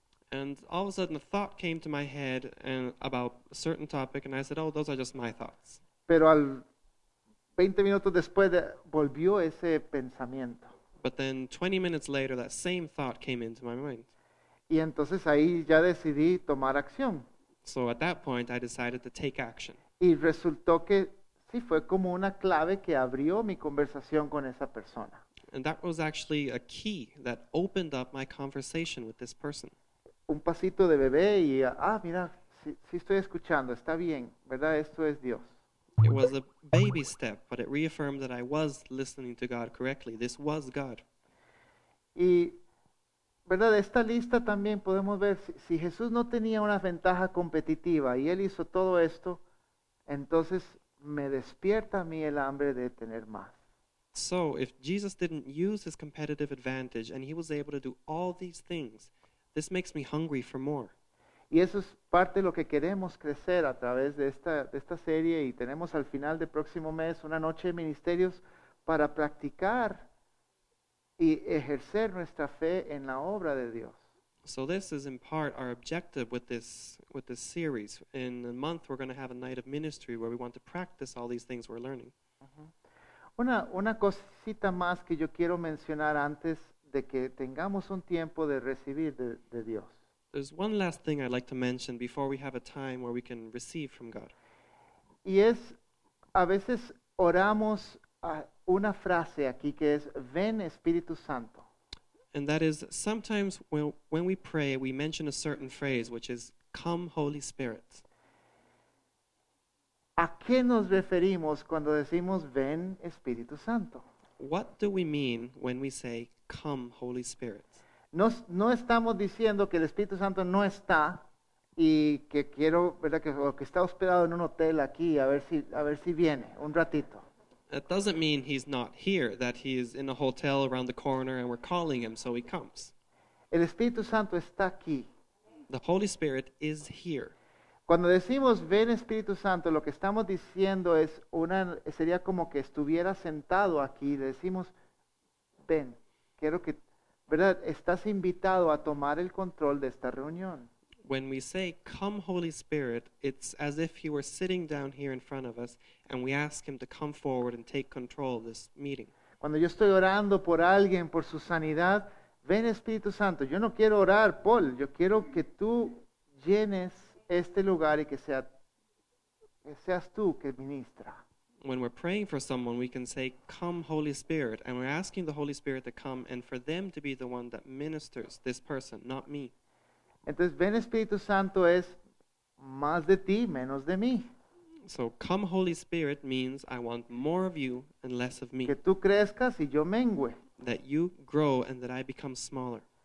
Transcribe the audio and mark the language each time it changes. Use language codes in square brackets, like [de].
[en] And all of a sudden a thought came to my head and about a certain topic and I said, oh, those are just my thoughts. [es] Pero al 20 minutos después volvió ese pensamiento. [en] But then 20 minutes later that same thought came into my mind. [es] Y entonces ahí ya decidí tomar acción. [en] So at that point I decided to take action. [es] Y resultó que sí, fue como una clave que abrió mi conversación con esa persona. [en] And that was actually a key that opened up my conversation with this person. [es] Un pasito de bebé y, mira, sí estoy escuchando, está bien, ¿verdad? Esto es Dios. [en] It was a baby step, but it reaffirmed that I was listening to God correctly. This was God. [es] Y, ¿verdad? Esta lista también podemos ver, si Jesús no tenía una ventaja competitiva y Él hizo todo esto, entonces me despierta a mí el hambre de tener más. [en] So, if Jesus didn't use his competitive advantage and he was able to do all these things, this makes me hungry for more. [es] Y eso es parte de lo que queremos crecer a través de esta serie y tenemos al final del próximo mes una noche de ministerios para practicar y ejercer nuestra fe en la obra de Dios. [en] So this is in part our objective with this series. In a month we're going to have a night of ministry where we want to practice all these things we're learning. Uh-huh. [es] Una cosita más que yo quiero mencionar antes de que tengamos un tiempo de recibir de Dios. [en] There's one last thing I'd like to mention before we have a time where we can receive from God. [es] Y es, a veces oramos a una frase aquí que es, ven Espíritu Santo. [en] And that is, sometimes when we pray, we mention a certain phrase, which is, come Holy Spirit. [es] ¿A qué nos referimos cuando decimos, ven Espíritu Santo? [en] What do we mean when we say, come Holy Spirit? [es] No estamos diciendo que el Espíritu Santo no está y que quiero, ¿verdad? Que está hospedado en un hotel aquí, a ver si viene un ratito. [en] That doesn't mean he's not here, that he is in a hotel around the corner and we're calling him so he comes. [es] El Espíritu Santo está aquí. [en] The Holy Spirit is here. [es] Cuando decimos ven Espíritu Santo, lo que estamos diciendo es sería como que estuviera sentado aquí, le decimos ven, quiero que, ¿verdad? Estás invitado a tomar el control de esta reunión. [en] When we say, come Holy Spirit, it's as if he were sitting down here in front of us and we ask him to come forward and take control of this meeting. [es] Cuando yo estoy orando por alguien, por su sanidad, ven Espíritu Santo. Yo no quiero orar, Paul. Yo quiero que tú llenes este lugar y que seas tú que ministra. [en] When we're praying for someone, we can say, come Holy Spirit. And we're asking the Holy Spirit to come and for them to be the one that ministers this person, not me. [es] Entonces, ven Espíritu Santo es más de ti, menos de mí. [en] So, come Holy Spirit means I want more of you and less of me. [es] Que tú crezcas y yo mengue. [en] That you grow and that I become smaller.